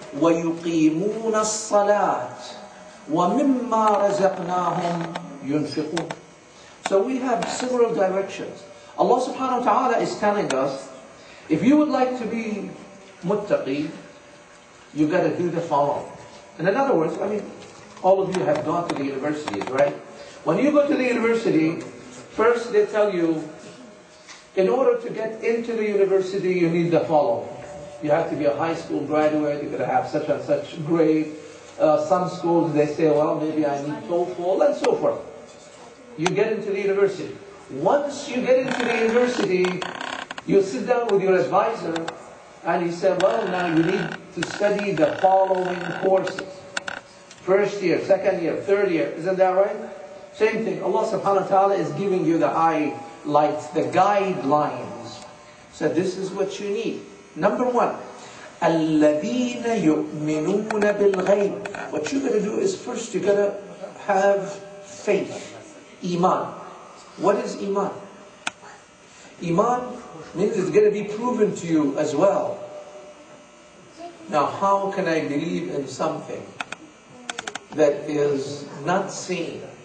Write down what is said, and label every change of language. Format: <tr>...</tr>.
<ar>ويقيمون الصلاة ومما رزقناهم ينفقون.</ar> <en>So we have several directions. Allah subhanahu wa ta'ala is telling us, if you would like to be muttaqi, you gotta do the following. And in other words, I mean, all of you have gone to the universities, right? When you go to the university, first they tell you, in order to get into the university, you need the following. You have to be a high school graduate, you've got to have such and such grade. Some schools, they say, well, maybe I need TOEFL, and so forth. You get into the university. Once you get into the university, you sit down with your advisor, and he say, well, now you need to study the following courses. First year, second year, third year, isn't that right? Same thing, Allah subhanahu wa ta'ala is giving you the highlights, the guidelines. So this is what you need. Number one,</en> <ar>الَّذِينَ يُؤْمِنُونَ بِالْغَيْبِ.</ar> <en>What you're going to do is first you're going to have faith, iman. What is iman? Iman means it's going to be proven to you as well. Now how can I believe in something that is not seen?</en>